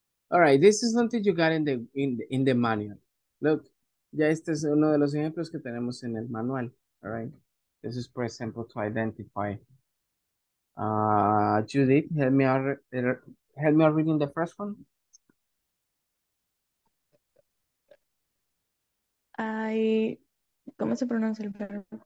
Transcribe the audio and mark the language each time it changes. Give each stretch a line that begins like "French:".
English: All right, this is something you got in the manual. Look,
Spanish: ya este es uno de los ejemplos que tenemos en el manual.
English: All right, this is for example to identify. Judith, help me out reading the first one.
Spanish: ¿Cómo se pronuncia el verbo?